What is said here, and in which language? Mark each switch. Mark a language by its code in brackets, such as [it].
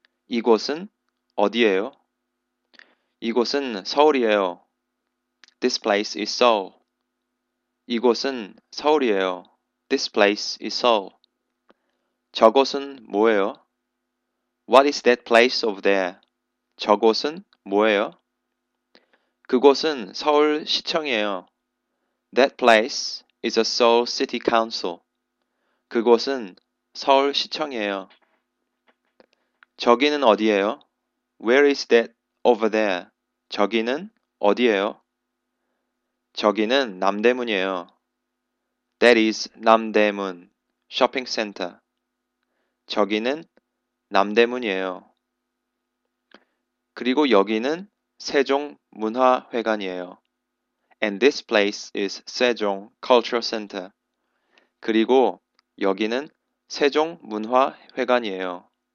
[ko] 이곳은 어디예요? 이곳은 서울이에요. [en] This place is Seoul. [ko] 이곳은 서울이에요. [en] This place is Seoul. [ko] 저곳은 뭐예요? [en] What is that place over there? [ko] 저곳은 뭐예요? 그곳은 서울시청이에요. [en] That place is a Seoul City Council. [ko] 그곳은 서울시청이에요. 저기는 어디예요? [en] Where is that over there? [ko] 저기는 어디예요? 저기는 남대문이에요. [en] That is 남대문 Shopping Center. [ko] 저기는 남대문이에요. 그리고 여기는 세종문화회관이에요. [en] And this place is Sejong Cultural Center. [ko] 그리고 여기는 세종문화회관이에요.